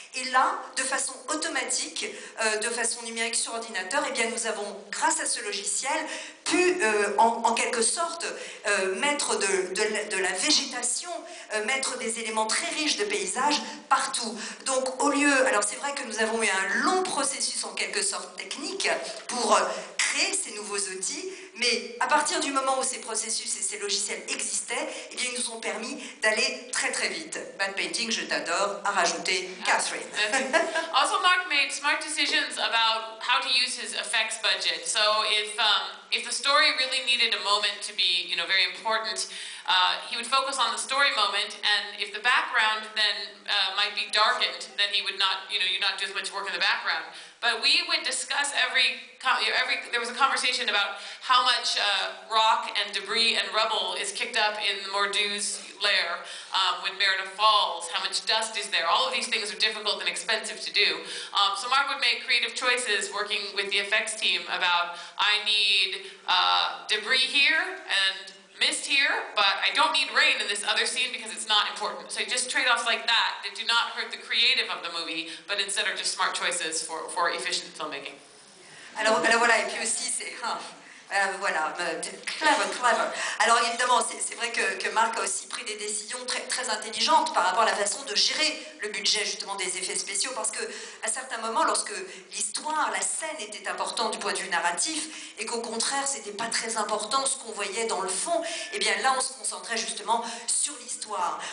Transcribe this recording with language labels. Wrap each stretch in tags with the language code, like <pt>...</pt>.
<fr>Et là, de façon automatique, de façon numérique sur ordinateur, eh bien, nous avons, grâce à ce logiciel, pu, en quelque sorte, mettre de la végétation, mettre des éléments très riches de paysage partout. Donc, au lieu... Alors, c'est vrai que nous avons eu un long processus, en quelque sorte, technique pour créer ces nouveaux outils, mais à partir du moment où ces processus et ces logiciels existaient, eh bien, ils nous ont permis d'aller très très vite. Matte painting, je t'adore, a rajouté Catherine.</fr> <en>Also, Mark made smart decisions about how to use his effects budget. So if the story really needed a moment to be, you know, very important, he would focus on the story moment, and if the background then might be darkened, then he would not, you know, you'd not do as much work in the background. But we would discuss there was a conversation about how much rock and debris and rubble is kicked up in Mordu's lair when Merida falls, how much dust is there. All of these things are difficult and expensive to do. So Mark would make creative choices working with the effects team about, I need debris here and mist here, but I don't need rain in this other scene because it's not important. So just trade-offs like that that do not hurt the creative of the movie, but instead are just smart choices for efficient filmmaking.</en> <fr>Alors, alors voilà, et puis aussi c'est, voilà, clever. Alors évidemment, c'est vrai que Marc a aussi pris des décisions très, très intelligentes par rapport à la façon de gérer le budget justement des effets spéciaux, parce que à certains moments, lorsque l'histoire, la scène était importante du point de vue narratif, et qu'au contraire, c'était pas très important ce qu'on voyait dans le fond, eh bien là, on se concentrait justement sur l'histoire.</fr>